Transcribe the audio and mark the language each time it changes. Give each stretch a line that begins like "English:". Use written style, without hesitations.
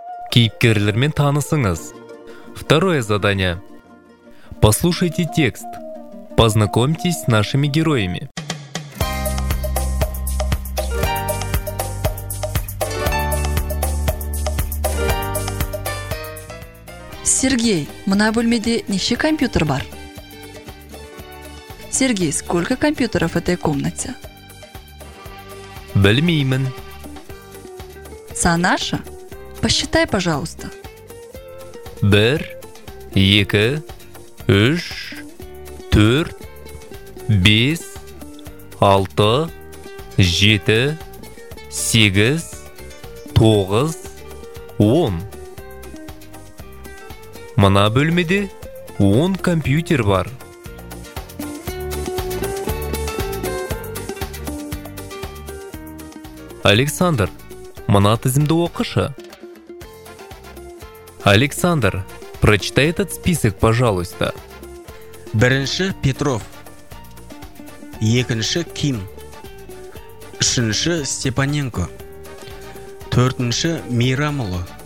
Kazakh: Кейіпкерлермен танысыңыз.
Russian: Второе задание. Послушайте текст. Познакомьтесь с нашими героями.
Kazakh: Сергей, мына бөлмеде неше компьютер бар?
Russian: Сергей, сколько компьютеров в этой комнате?
Kazakh: Белмимен. Санаша,
Russian: посчитай, пожалуйста.
Kazakh: Бер, еке, үш, төрт, бес, алты, жеті, сегіз, тоғыз, он. Мына бөлмеде 10 компьютер бар. Александр, мына тізімді оқышы.
Russian: Александр, прочитай этот список, пожалуйста.
Kazakh: Бірінші Петров. Екінші Ким. Үшінші Степаненко. Төртінші Мейрамұлы.